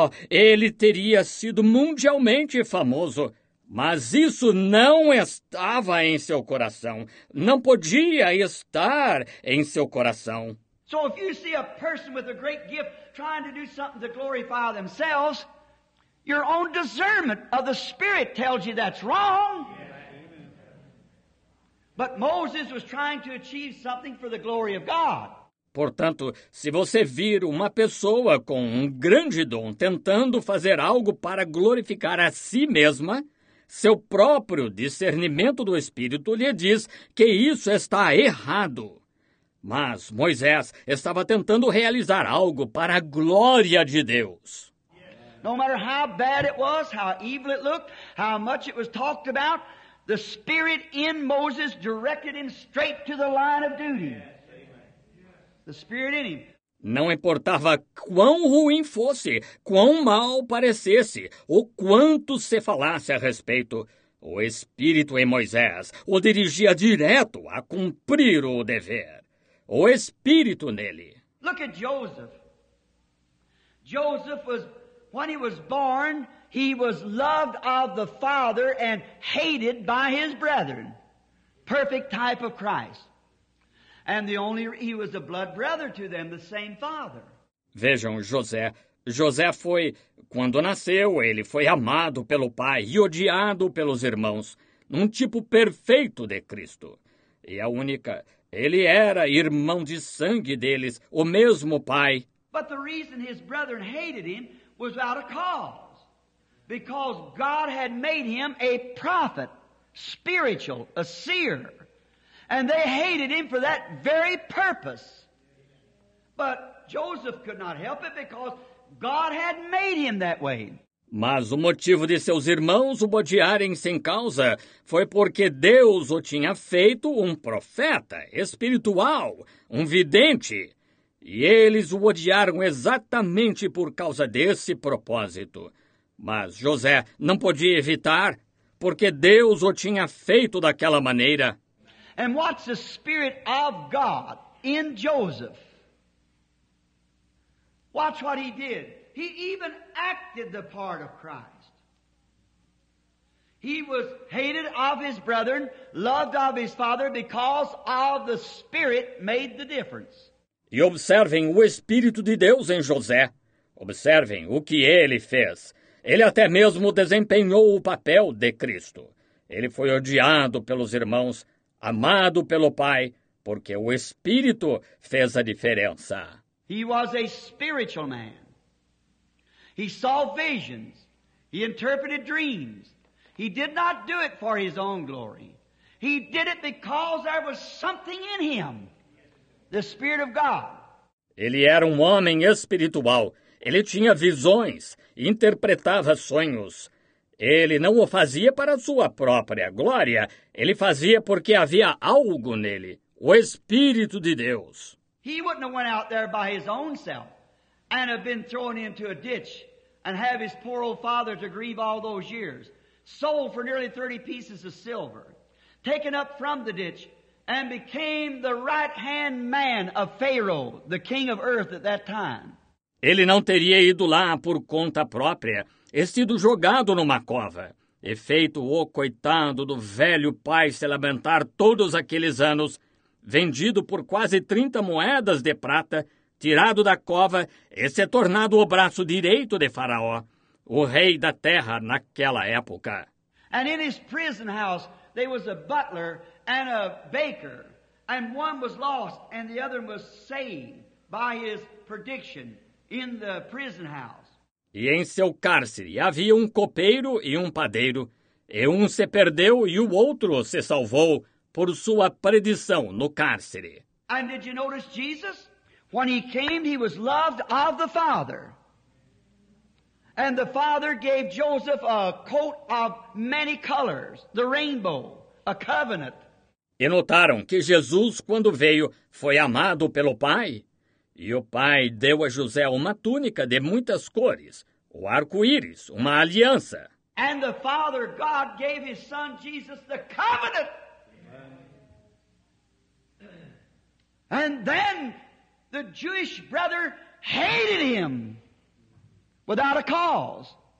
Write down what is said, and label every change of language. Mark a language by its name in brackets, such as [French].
[Portuguese] ele teria sido mundialmente famoso, mas isso não estava em seu coração. Não podia estar em seu coração. [English] So if you see a person with a great gift trying to do something to glorify themselves... Your own discernment of the Spirit tells you that's wrong. But Moses was trying to achieve something for the glory of God. [Portuguese] Portanto, se você vir uma pessoa com um grande dom tentando fazer algo para glorificar a si mesma, seu próprio discernimento do Espírito lhe diz que isso está errado. Mas Moisés estava tentando realizar algo para a glória de Deus. [English] No matter how bad it was, how evil it looked, how much it was talked about, the Spirit in Moses directed him straight to the line of duty. The Spirit in him. [Portuguese] Não importava quão ruim fosse, quão mal parecesse, ou quanto se falasse a respeito, o Espírito em Moisés o dirigia direto a cumprir o dever. O Espírito nele. [English] Look at Joseph. Joseph was... When he was born, he was loved of the father and hated by his brethren. Perfect type of Christ. And the only he was a blood brother to them, the same father. [Portuguese] Vejam, José. José foi, quando nasceu, ele foi amado pelo pai e odiado pelos irmãos. Um tipo perfeito de Cristo. E a única, ele era irmão de sangue deles, o mesmo pai. [English] But the reason his brethren hated him was without a cause, because God had made him a prophet spiritual, a seer. And they hated him for that very purpose. But Joseph could not help it because God had made him that way. [Portuguese] Mas o motivo de seus irmãos o odiarem sem causa foi porque Deus o tinha feito um profeta espiritual, um vidente. E eles o odiaram exatamente por causa desse propósito. Mas José não podia evitar, porque Deus o tinha feito daquela maneira. [English] And what's the spirit of God in Joseph? Watch what he did. He even acted the part of Christ. He was hated of his brethren, loved of his father, because of the spirit made the difference. [Portuguese] E observem o Espírito de Deus em José. Observem o que ele fez. Ele até mesmo desempenhou o papel de Cristo. Ele foi odiado pelos irmãos, amado pelo Pai, porque o Espírito fez a diferença. [English] He was a spiritual man. He saw visions. He interpreted dreams. He did not do it for his own glory. He did it because there was something in him. The Spirit of God. [Portuguese] Ele era um homem espiritual. Ele tinha visões, interpretava sonhos. Ele não o fazia para sua própria glória. Ele fazia porque havia algo nele, o Espírito de Deus. [English] He wouldn't have went out there by his own self and have been thrown into a ditch and have his poor old father to grieve all those years, sold for nearly 30 pieces of silver, taken up from the ditch, and became the right-hand man of Pharaoh, the king of earth at that time. [Portuguese] Ele não teria ido lá por conta própria e sido jogado numa cova, e feito o coitado do velho pai se lamentar todos aqueles anos, vendido por quase 30 moedas de prata, tirado da cova e se tornado o braço direito de Faraó, o rei da terra naquela época. [English] And in his prison house, there was a butler and a baker, and one was lost and the other was saved by his prediction in the prison house. [Portuguese] E em seu cárcere havia um copeiro e um padeiro, e um se perdeu e o outro se salvou por sua predição no cárcere. [English] And did you notice Jesus? When he came, he was loved of the Father. And the Father gave Joseph a coat of many colors, the rainbow, a covenant. [Portuguese] E notaram que Jesus, quando veio, foi amado pelo Pai. E o Pai deu a José uma túnica de muitas cores, o arco-íris, uma aliança. [English] And the Father, God, gave his son Jesus the covenant. And then the Jewish brother hated him without a cause.